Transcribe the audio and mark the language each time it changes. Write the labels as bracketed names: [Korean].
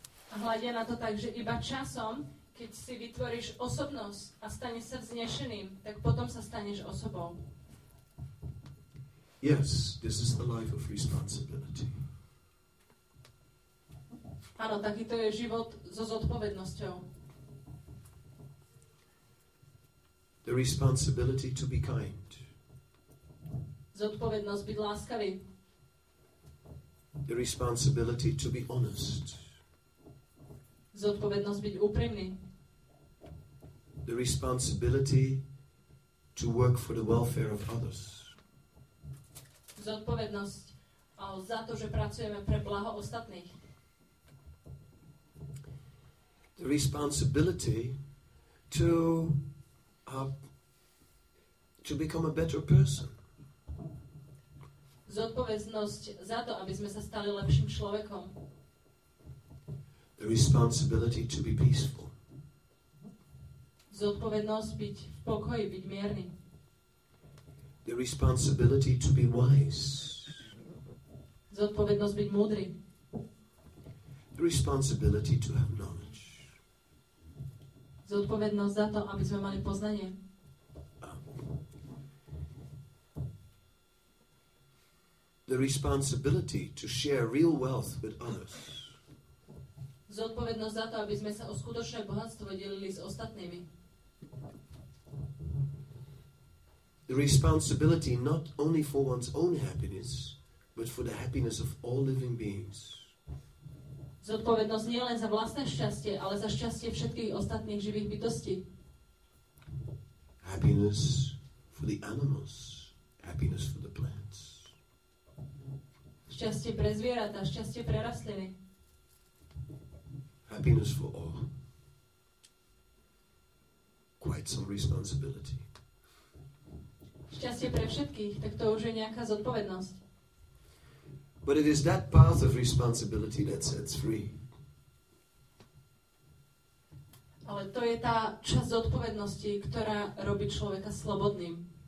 [Slovak] A hľadia na to tak, že iba časom, keď si vytvoríš osobnosť a staneš sa vznešeným, tak potom sa staneš osobou. [English] Yes, this is the life of responsibility. [Slovak] Áno, takýto je život so zodpovednosťou. [English] The responsibility to be kind. [Slovak] Zodpovednosť byť láskavý. [English] The responsibility to be honest. [Slovak] Zodpovednosť byť úprimný. [English] the responsibility to work for the welfare of others. [Slovak] Zodpovednosť za to, že pracujeme pre blaho ostatných. [English] The responsibility to become a better person. [Slovak] Zodpovednosť za to, aby sme sa stali lepším človekom. [English] The responsibility to be peaceful. [Slovak] Zodpovednosť byť v pokoji, byť mierny. [English] The responsibility to be wise. [Slovak] Zodpovednosť byť múdry. [English] The responsibility to have knowledge. [Slovak] Zodpovednosť za to, aby sme mali poznanie. [English] The responsibility to share real wealth with others. [Slovak] Zodpovednosť za to, aby sme sa o skutočné bohatstvo delili s ostatnými. [English] The responsibility not only for one's own happiness, but for the happiness of all living beings. [Slovak] Zodpovednosť nie len za vlastné šťastie, ale za šťastie všetkých ostatných živých bytostí. [English] Happiness for the animals, happiness for the plants. [Slovak] Šťastie pre zvieratá, šťastie pre rastliny. [English] Happiness for all. Quite some responsibility. [Slovak] Šťastie pre všetkých, tak to už je nejaká zodpovednosť. [English] But it is that path of responsibility that sets free. [Slovak] Ale to je tá časť zodpovednosti, ktorá robí človeka slobodným.